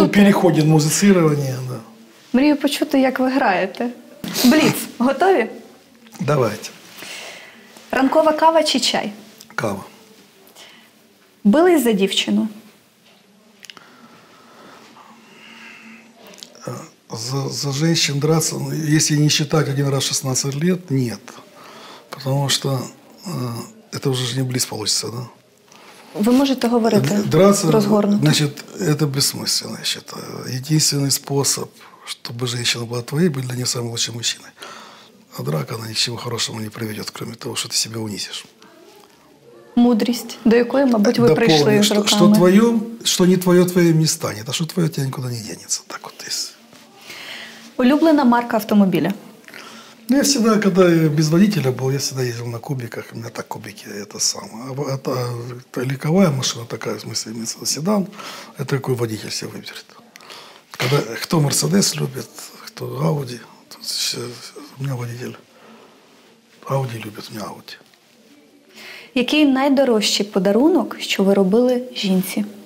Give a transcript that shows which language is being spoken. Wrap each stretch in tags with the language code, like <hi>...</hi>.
<ru>Или потом переходит музицирование, да.</ru> <uk>Мрію почути, як ви граєте. Бліц, готові? Давайте. Ранкова кава чи чай? Кава. Бились за дівчину?</uk> <ru>За женщин драться, если не считать один раз 16 лет, нет. Потому что это уже не близ получится, да? Вы можете говорить</ru> <uk>разгорнуто?</uk> <ru>Значит, это бессмысленно, я считаю. Единственный способ, чтобы женщина была твоей, были для нее самым лучшим мужчиной. А драка, она ни к чему хорошему не приведет, кроме того, что ты себя унизишь.</ru> <uk>Мудрость, до якої, мабуть, ви прийшли руками.</uk> <ru>Дополню, что твое, что не твое, твоим не станет, а что твое, тебя никуда не денется. Так вот есть.</ru> <uk>Улюблена марка автомобиля?</uk> <ru>Ну, я всегда, когда я без водителя был, я всегда ездил на кубиках, у меня так кубики, это самое. Это легковая машина такая, в смысле, седан, это какой водитель себе выберет. Когда, кто Мерседес любит, кто Ауди, тут все... У меня водитель Ауди любит, у меня Ауди.</ru> <uk>Який найдорожчий подарунок, що ви робили жінці?</uk>